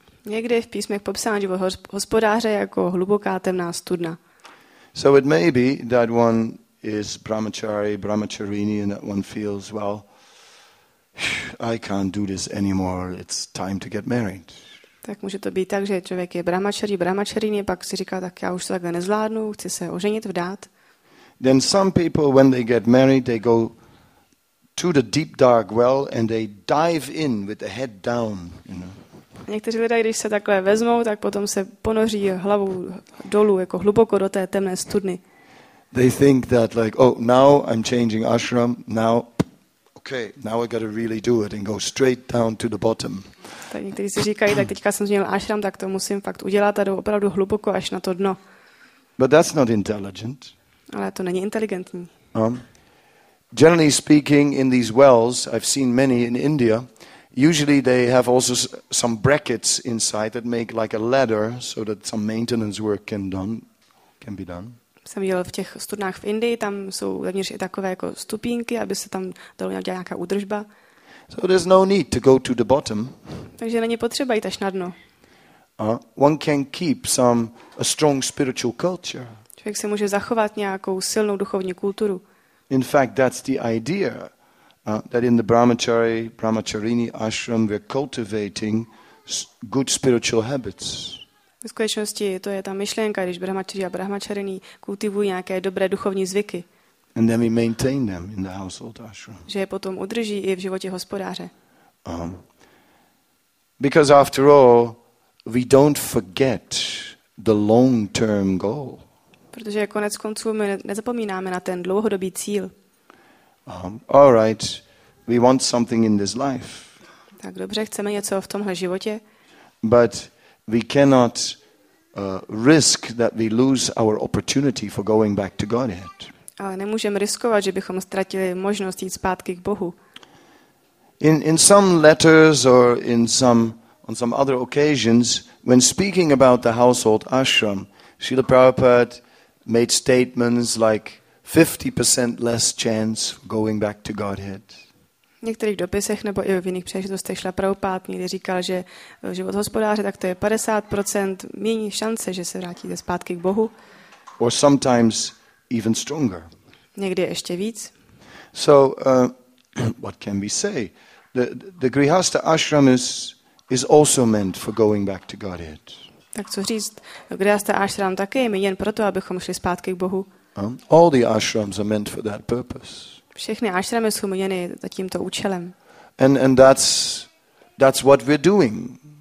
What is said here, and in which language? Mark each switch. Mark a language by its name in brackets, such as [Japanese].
[Czech] Někdy v písmech popsáno život hospodáře jako hluboká temná studna. [English] So it may be that one is brahmachari, brahmacharini, and that one feels, well, I can't do this anymore. It's time to get married. [Czech] Tak může to být tak, že člověk je brahmachari, brahmacharini, pak si říká, tak já už to takhle nezvládnu, chci se oženit, vdát. [English] Then some people, when they get married, they go to the deep dark well and they dive in with the head down, you know. [Czech] Někteří lidé, když se takhle vezmou, tak potom se ponoří hlavou dolů, jako hluboko do té temné studny. [English] They think that like, oh, now I'm changing ashram, now, okay, now I got to really do it and go straight down to the bottom. [Czech] Tak někteří si říkají, tak teďka jsem změnil ashram, tak to musím fakt udělat a jdu opravdu hluboko až na to dno. [English] But that's not intelligent. [Czech] Ale to není inteligentní. [English] Generally speaking, in these wells, I've seen many in India, usually they have also some brackets inside that make like a ladder so that some maintenance work can be done. [Czech] Jsem viděl v těch studnách v Indii, tam jsou zevnitř i takové jako stupínky, aby se tam dalo nějak dělat nějaká údržba. [English] So there's no need to go to the bottom. [Czech] Takže není potřeba jít až na dno. [English] One can keep a strong spiritual culture. [Czech] Člověk se může zachovat nějakou silnou duchovní kulturu. [English] In fact, that's the idea. That in the brahmachari, brahmacharini ashram, we're cultivating good spiritual habits. [Czech] V skutečnosti to je ta myšlenka, když brahmachari a brahmacharini kultivují nějaké dobré duchovní zvyky. [English] And then we maintain them in the household ashram. [Czech] Že je potom udrží i v životě hospodáře. [English] Because after all, we don't forget the long-term goal. [Czech] Protože konec konců my nezapomínáme na ten dlouhodobý cíl. [English] All right, we want something in this life. [Czech] Tak dobře, chceme něco v tomhle životě. [English] But we cannot risk that we lose our opportunity for going back to Godhead. [Czech] Ale nemůžeme riskovat, že bychom ztratili možnost jít zpátky k Bohu. [English] In some letters or on some other occasions, when speaking about the household ashram, Srila Prabhupada made statements like 50% less chance going back to Godhead. [Czech] V některých dopisech nebo i v jiných příležitostech Srila Prabhupada někdy říkal, že život hospodáře, tak to je 50% méně šance, že se vrátíte zpátky k Bohu. [English] Or sometimes even stronger. [Czech] Někdy ještě víc. [English] So what can we say? The Grihastha ashram is also meant for going back to Godhead. [Czech] Tak co říct? Grihastha ashram také je míněn proto, abychom šli zpátky k Bohu. [English] All the ashrams are meant for that purpose. [Czech] Všechny ashramy jsou míněny za tímto účelem. [English] And that's what we're doing.